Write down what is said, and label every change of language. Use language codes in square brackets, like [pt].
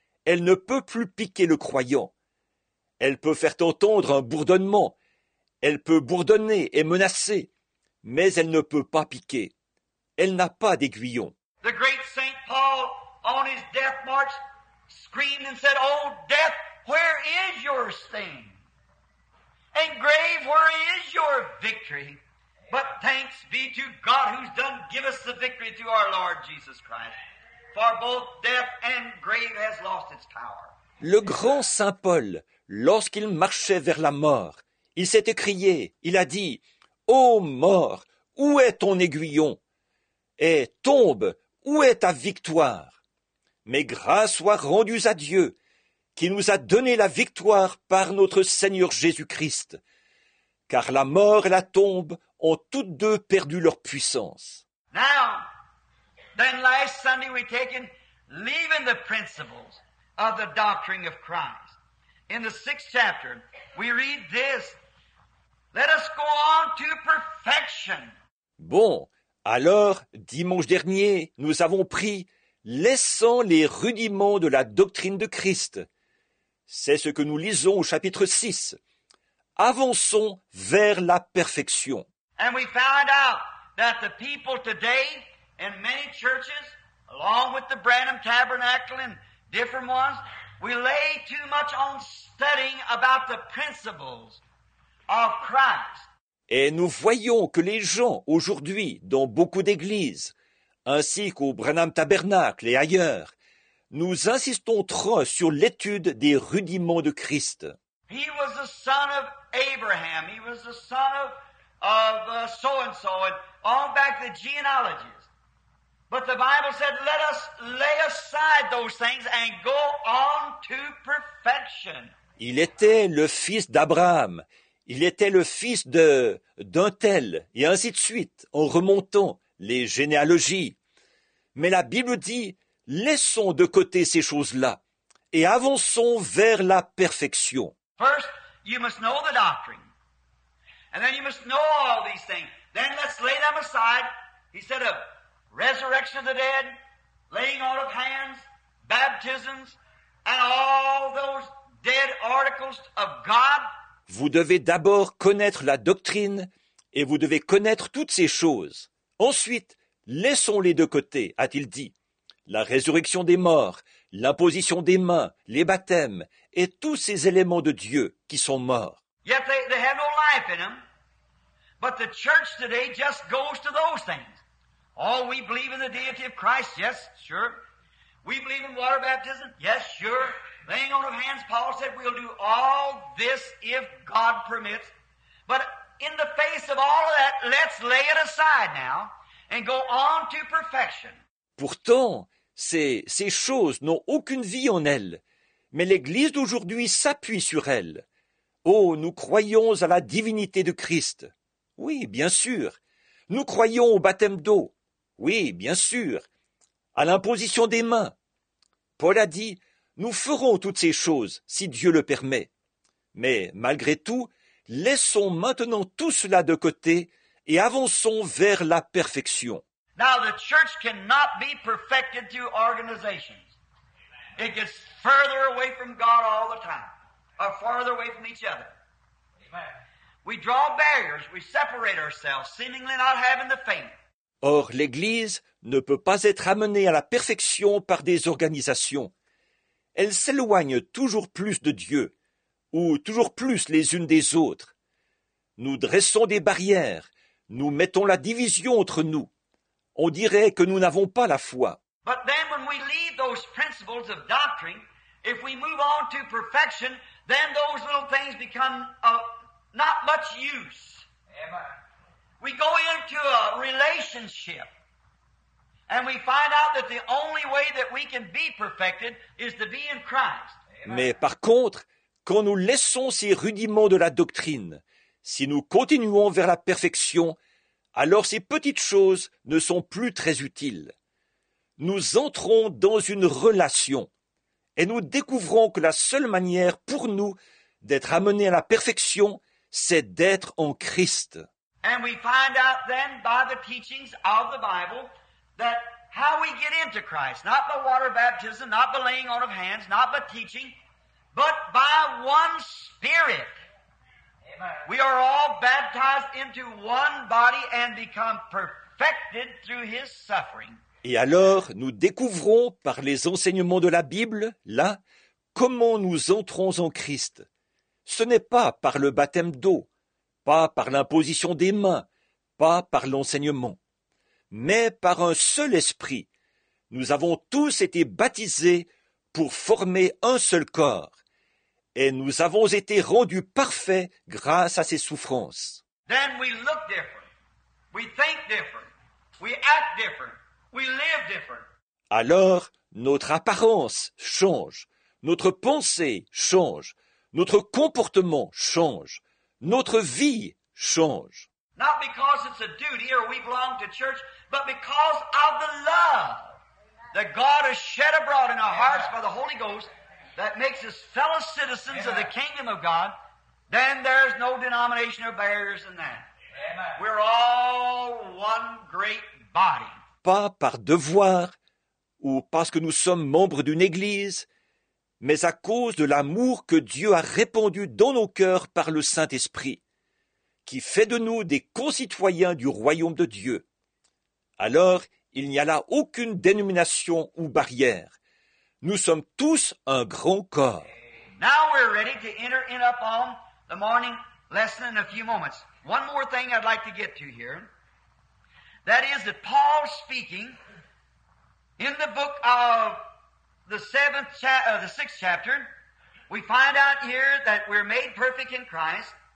[fr] Elle ne peut plus piquer le croyant. Elle peut faire entendre un bourdonnement. Elle peut bourdonner et menacer, mais elle ne peut pas piquer. Elle n'a pas d'aiguillon. [en] The great Saint Paul, on his death march, screamed and said, "Oh death, where is your sting? And grave, where is your victory? But thanks be to God who's done give us the victory through our Lord Jesus Christ. For both death and grave has lost its power." [fr] Le grand Saint Paul, lorsqu'il marchait vers la mort, il s'est écrié, il a dit, Ô mort, où est ton aiguillon? Et tombe, où est ta victoire? Mais grâce soit rendue à Dieu, qui nous a donné la victoire par notre Seigneur Jésus-Christ. Car la mort et la tombe ont toutes deux perdu leur puissance. [en] Now, then last Sunday we taken leaving the principles of the doctrine of Christ. In the sixth chapter, we read this. Let us go on to perfection. [fr] Bon, alors, dimanche dernier, nous avons pris « Laissant les rudiments de la doctrine de Christ ». C'est ce que nous lisons au chapitre 6. « Avançons vers la perfection ». [en] And we found out that the people today in many churches, along with the Branham Tabernacle and different ones, we lay too much on studying about the principles of Christ. [fr] Et nous voyons que les gens aujourd'hui, dans beaucoup d'églises, ainsi qu'au Branham Tabernacle et ailleurs, nous insistons trop sur l'étude des rudiments de Christ. [en] He was the son of Abraham. He was the son of so-and-so and on back the genealogies. But the Bible said, let us lay aside those things and go on to perfection. [fr] Il était le fils d'Abraham. Il était le fils d'un tel, et ainsi de suite, en remontant les généalogies. Mais la Bible dit, laissons de côté ces choses-là, et avançons vers la perfection. [en] First, you must know the doctrine. And then you must know all these things. Then let's lay them aside. He said of resurrection of the dead, laying on of hands, baptisms, and all those dead articles of God. [fr] Vous devez d'abord connaître la doctrine et vous devez connaître toutes ces choses. Ensuite, laissons-les de côté, a-t-il dit. La résurrection des morts, l'imposition des mains, les baptêmes et tous ces éléments de Dieu qui sont morts. [en] Yet they have no life in them, but the church today just goes to those things. Oh, we believe in the deity of Christ, yes, sure. We believe in water baptism, yes, sure. Laying on of hands, Paul said, we'll do all this if God permits. But in the face of all of that, let's lay it aside now and go on to perfection. [fr] Pourtant, ces choses n'ont aucune vie en elles, mais l'Église d'aujourd'hui s'appuie sur elles. Oh, nous croyons à la divinité de Christ. Oui, bien sûr. Nous croyons au baptême d'eau. Oui, bien sûr. À l'imposition des mains. Paul a dit, nous ferons toutes ces choses, si Dieu le permet. Mais malgré tout, laissons maintenant tout cela de côté et avançons vers la perfection. [en] Now, the church cannot be perfected through organizations. It gets further away from God all the time, or farther away from each other. Amen. We draw barriers, we separate ourselves, seemingly not having the faith. [fr] Or, l'Église ne peut pas être amenée à la perfection par des organisations. Elles s'éloignent toujours plus de Dieu, ou toujours plus les unes des autres. Nous dressons des barrières, nous mettons la division entre nous. On dirait que nous n'avons pas la foi. [en] But then when we leave those principles of doctrine, if we move on to perfection, then those little things become not much use. Amen. We go into a relationship. And we find out that the only way that we can be perfected is to be in Christ. Amen. [fr] Mais par contre, quand nous laissons ces rudiments de la doctrine, si nous continuons vers la perfection, alors ces petites choses ne sont plus très utiles. Nous entrons dans une relation et nous découvrons que la seule manière pour nous d'être amenés à la perfection, c'est d'être en Christ. [en] And we find out then by the teachings of the Bible that how we get into Christ, not by water baptism, not by laying on of hands, not by teaching, but by one Spirit. Amen. We are all baptized into one body and become perfected through His suffering. [fr] Et alors, nous découvrons par les enseignements de la Bible, là, comment nous entrons en Christ. Ce n'est pas par le baptême d'eau, pas par l'imposition des mains, pas par l'enseignement. Mais par un seul esprit, nous avons tous été baptisés pour former un seul corps, et nous avons été rendus parfaits grâce à ses souffrances. [en] then we look different. We think different. We act different. We live different. [fr] Alors, notre apparence change. Notre pensée change. Notre comportement change. Notre vie change. [en] Not because it's a duty or we belong to church, but because of the love that God has shed abroad in our hearts by the Holy Ghost that makes us fellow citizens of the kingdom of God, then there's no denomination or barriers in that. Amen. We're all one great body. [fr] Pas par devoir ou parce que nous sommes membres d'une église, mais à cause de l'amour que Dieu a répandu dans nos cœurs par le Saint-Esprit, qui fait de nous des concitoyens du royaume de Dieu. Alors, il n'y a là aucune dénomination ou barrière. Nous sommes tous un grand corps. [en] Now we're ready to enter in upon the morning lesson in a few moments. One more thing I'd like to get to here. That is that Paul speaking in the book of the sixth chapter, we find out here that we're made perfect in Christ.